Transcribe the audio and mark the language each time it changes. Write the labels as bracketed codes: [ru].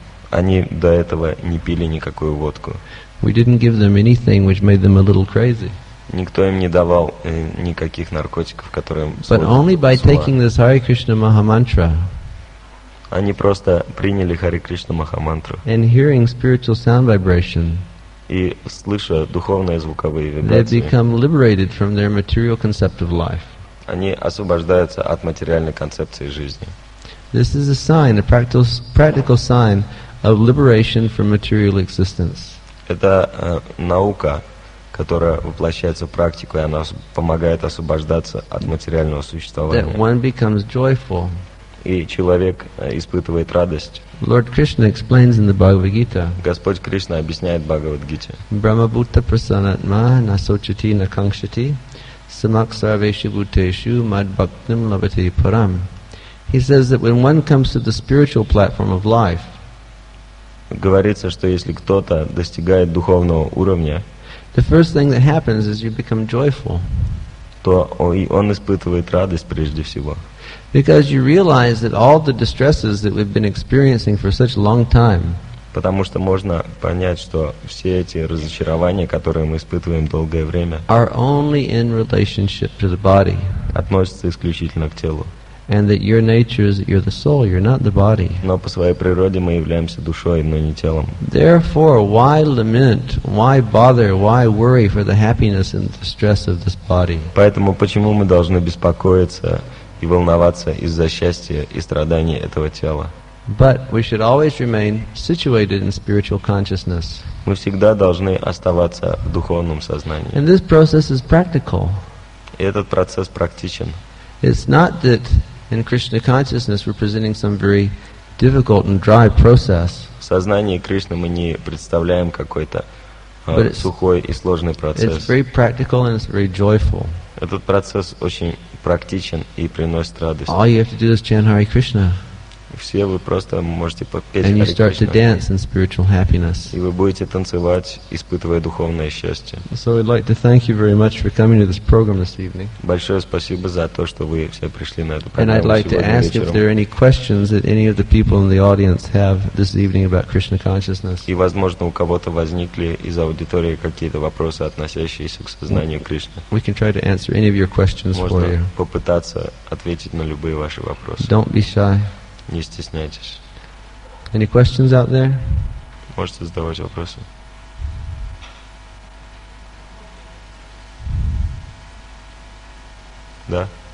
[ru] Они до этого не пили никакую водку. [en] We didn't give them anything which made them a little crazy. [ru] Никто им не давал никаких наркотиков, которые. [en] But only by taking this Hare Krishna Maha mantra. [ru] Они просто приняли Hare Krishna Maha mantra. [en] And hearing spiritual sound vibration. [ru] И слыша духовные звуковые вибрации. [en] They become liberated from their material concept of life. [ru] Они освобождаются от материальной концепции жизни. [en] This is a sign, a practical sign of liberation from material existence. [ru] Это наука, которая воплощается в практику, и она помогает освобождаться от материального существования. [en] That one becomes joyful. [ru] И человек испытывает радость. [en] Lord Krishna explains in the Bhagavad Gita. [ru] Господь Кришна объясняет в Бхагавад Гите. [sa] Brahma Bhuta Prasanatma na Sochati na Kankshati Samak Sarveshu Bhuteshu Mad Bhaktim Lavate Param. [en] He says that when one comes to the spiritual platform of life, [ru] говорится, что если кто-то достигает духовного уровня, [en] the first thing that happens is you become joyful. [ru] То он испытывает радость прежде всего. [en] Because you realize that all the distresses that we've been experiencing for such a long time. [ru] Потому что можно понять, что все эти разочарования, которые мы испытываем долгое время, [en] are only in relationship to the body. [ru] Относятся исключительно к телу. [en] And that your nature is that you're the soul, you're not the body. [ru] Но по своей природе мы являемся душой, но не телом. [en] Therefore, why lament, why bother, why worry for the happiness and the stress of this body? [ru] Поэтому почему мы должны беспокоиться и волноваться из-за счастья и страданий этого тела? [en] But we should always remain situated in spiritual consciousness. [ru] Мы всегда должны оставаться в духовном сознании. [en] And this process is practical. [ru] И этот процесс практичен. [en] It's not that in Krishna consciousness we're presenting some very difficult and dry process. [ru] В сознании Кришны мы не представляем какой-то сухой и сложный процесс. [en] It's very practical and it's very joyful. [ru] Этот процесс очень практичен и приносит радость. [en] All you have to do is chant Hare Krishna. [ru] Все вы просто можете попеть. [en] And you start to dance in spiritual happiness. [ru] И вы будете танцевать, испытывая духовное счастье. [en] So we'd like to thank you very much for coming to this program this evening. [ru] Большое спасибо за то, что вы все пришли на эту программу. [en] And I'd like to ask if there are any questions that any of the people in the audience have this evening about Krishna consciousness. [ru] И возможно, у кого-то возникли из аудитории какие-то вопросы, относящиеся к сознанию Кришны. [en] We can try to answer any of your questions for you. [ru] Можно попытаться ответить на любые ваши вопросы. [en] Don't be shy. [ru] Не стесняйтесь. [en] Any questions out there? [ru] Можете задавать вопросы. Да?